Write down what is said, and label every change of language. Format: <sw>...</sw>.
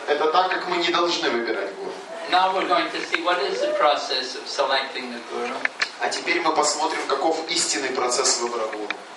<ru>Это так, как мы не должны выбирать гуру.</ru> <en>Now we're going to see what is the process of selecting the guru.</en> <ru>А теперь мы посмотрим, каков истинный процесс выбора гуру.</ru>